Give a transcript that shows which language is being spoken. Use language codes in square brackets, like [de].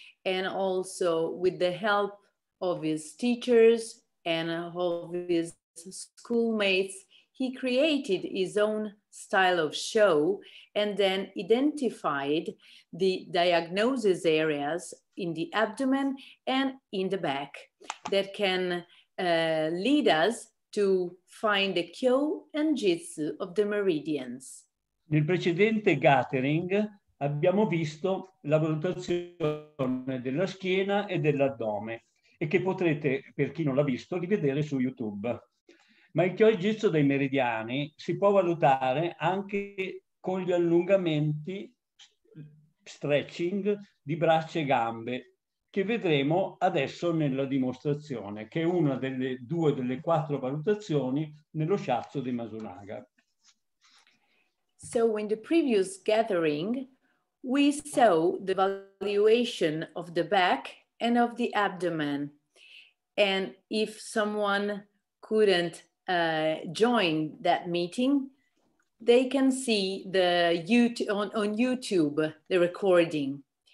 [en] and also with the help of his teachers and of his schoolmates, he created his own style of Shou and then identified the diagnosis areas in the abdomen and in the back that can lead us to find the Kyo and Jitsu of the meridians. [it] Nel precedente gathering abbiamo visto la valutazione della schiena e dell'addome e che potrete, per chi non l'ha visto, rivedere su YouTube. Ma il Kyo e Jitsu dei meridiani si può valutare anche con gli allungamenti stretching di braccia e gambe, che vedremo adesso nella dimostrazione, che è una delle due delle quattro valutazioni nello shiatsu di Masunaga. [en] So in the previous gathering we saw the valuation of the back and of the abdomen, and if someone couldn't join that meeting, they can see the on YouTube the recording.